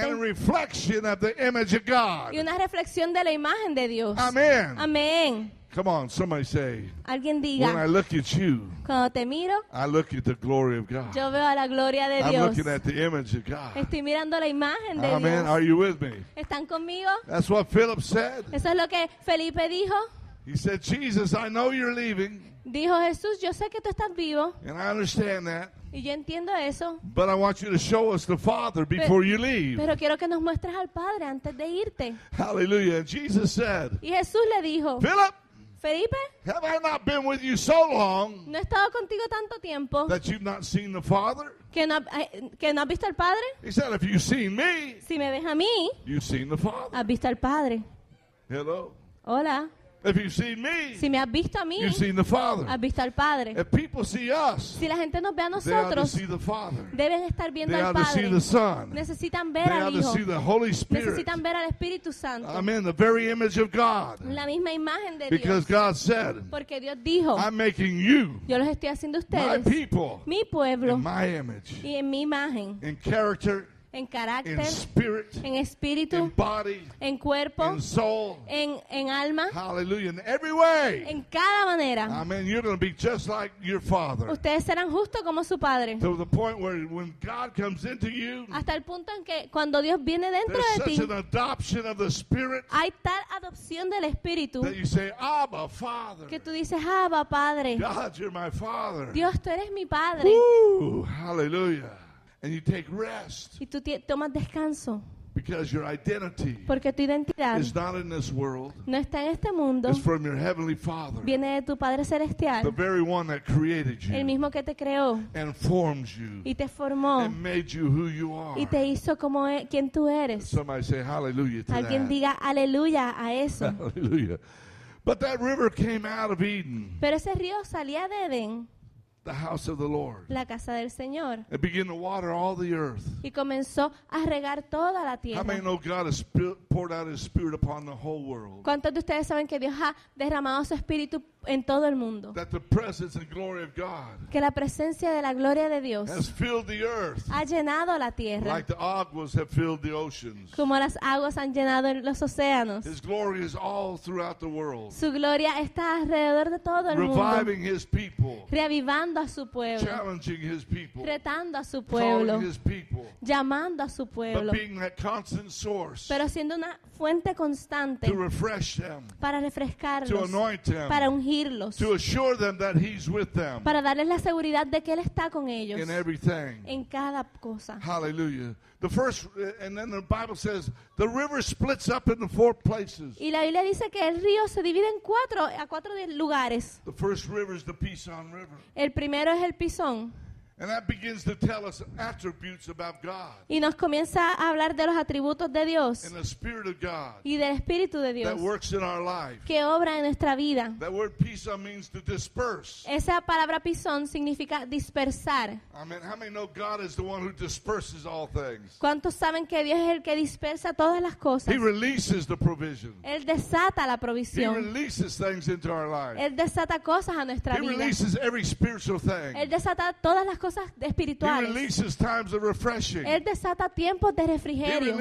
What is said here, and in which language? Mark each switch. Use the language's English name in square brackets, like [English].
[English] and a reflection of the image of God. [Spanish] Y una reflexión de la imagen de Dios. Amen. Amen. [English] Come on, somebody say. [Spanish] Alguien diga. [English] When I look at you, [Spanish] cuando te miro, [English] I look at the glory of God. [Spanish] Yo veo a la gloria de [English] I'm [Spanish] Dios. [English] Looking at the image of God. [Spanish] Estoy mirando la imagen de amen. Dios. [English] Are you with me? [Spanish] ¿Están conmigo? [English] That's what Philip said. [Spanish] Eso es lo que Felipe dijo. [English] He said, Jesus, I know you're leaving. [Spanish] Dijo Jesús, yo sé que tú estás vivo. [English] And I understand that. [Spanish] Y yo entiendo eso. [English] But I want you to show us the Father before you leave. [Spanish] Pero quiero que nos muestres al Padre antes de irte. [English] Hallelujah. And Jesus said, [Spanish] y Jesús le dijo, [English] Philip, [Spanish] Felipe, [English] have I not been with you so long [Spanish] no he estado contigo tanto tiempo [English] that you've not seen the Father? [Spanish] Que no has visto al Padre? [English] He said, if you've seen me, [Spanish] si me ves a mí, [English] you've seen the Father. [Spanish] Has visto al Padre. [English] Hello. [Spanish] Hola. [English] If you've seen me, [Spanish] si me has visto a mí, [English] you've seen the Father. [Spanish] Has visto al Padre. [English] If people see us, [Spanish] si la gente nos ve a nosotros, [English] they ought to see the Father. [Spanish] Deben estar viendo [English] they [Spanish] al [English] ought [Spanish] Padre. [English] To see the Son. [Spanish] Necesitan ver [English] they [Spanish] al [English] ought [Spanish] Hijo. [English] To see the Holy Spirit. [Spanish] Necesitan ver al Espíritu Santo. [English] Amen. The very image of God. [Spanish] La misma imagen de Dios. [English] Because God said, [Spanish] porque Dios dijo, [English] I'm making you, [Spanish] yo los estoy haciendo ustedes, [English] my people, [Spanish] mi pueblo, [English] in my image, [Spanish] y en mi imagen, [English] in character, [Spanish] en carácter, [English] in spirit, [Spanish] en espíritu, [English] in body, [Spanish] en cuerpo, [English] in soul, [Spanish] en alma, [English] hallelujah, in every way, [Spanish] en cada manera. Amen. [English] You're going to be just like your Father. [Spanish] Ustedes serán justo como su Padre. [English] To the point where when God comes into you, [Spanish] hasta el punto en que cuando Dios viene dentro de ti, [English] an adoption of the spirit, [Spanish] hay tal adopción del espíritu, [English] that you say, Abba, Father. [Spanish] Que tú dices, Abba, Padre. [English] God, you're my Father. [Spanish] Dios, tú eres mi Padre. [English] Ooh, hallelujah. And you take rest. [Spanish] Y tú tomas descanso. [English] Because your identity [Spanish] porque tu identidad [English] is not in this world. [Spanish] No está en este mundo. [English] It's from your heavenly Father. [Spanish] Viene de tu Padre celestial. [English] The very one that created you. [Spanish] El mismo que te creó. [English] And formed you. [Spanish] Y te formó. [English] And made you who you are. [Spanish] Y te hizo como quien tú eres. [English] Somebody say hallelujah to [Spanish] alguien [English] that. [Spanish] Diga aleluya a eso. [English] Hallelujah. But that river came out of Eden. [Spanish] Pero ese río salía de Edén. [English] The house of the Lord. [Spanish] La casa del Señor. [English] It began to water all the earth. [Spanish] Y comenzó a regar toda la tierra. [English] How many know God has poured out His Spirit upon the whole world? [Spanish] ¿Cuántos de ustedes saben que Dios ha derramado su Espíritu en todo el mundo? [English] That the presence and glory of God [Spanish] que la presencia de la gloria de Dios [English] has filled the earth [Spanish] ha llenado la tierra. [English] Like the aguas have filled the oceans. [Spanish] Como las aguas han llenado los océanos. [English] His glory is all throughout the world. [Spanish] Su gloria está alrededor de todo el [English] reviving [Spanish] mundo. [English] His people. [Spanish] Reavivando a su pueblo, [English] challenging his people, [Spanish] retando a su pueblo, [English] his people, [Spanish] llamando a su pueblo, [English] but being that constant source, [Spanish] pero siendo una fuente constante [English] to refresh them, [Spanish] para refrescarlos, [English] to anoint them, [Spanish] para ungirlos, [English] to assure them that he's with them, [Spanish] para darles la seguridad de que él está con ellos [English] in everything, [Spanish] en cada cosa. Hallelujah. [English] The first, and then the Bible says the river splits up into four places. [Spanish] Y la Biblia dice que el río se divide en cuatro a cuatro lugares. [English] The first river is the Pisón River. [Spanish] El primero es el Pisón. [English] And that begins to tell us attributes about God. [Spanish] Y nos comienza a hablar de los atributos de Dios. [English] And the Spirit of God. [Spanish] Y del Espíritu de Dios. [English] That works in our life. [Spanish] Que obra en nuestra vida. [English] That word pisa means to disperse. [Spanish] Esa palabra pisón significa dispersar. [English] I mean, how many know God is the one who disperses all things? [Spanish] ¿Cuántos saben que Dios es el que dispersa todas las cosas? [English] He releases the provision. [Spanish] Él desata la provisión. [English] He releases things into our life. [Spanish] Él desata cosas a nuestra vida. [English] He releases every spiritual thing. [Spanish] Él desata todas las cosas espirituales. [English] He releases times of refreshing. [Spanish] Él desata tiempos de refrigerio.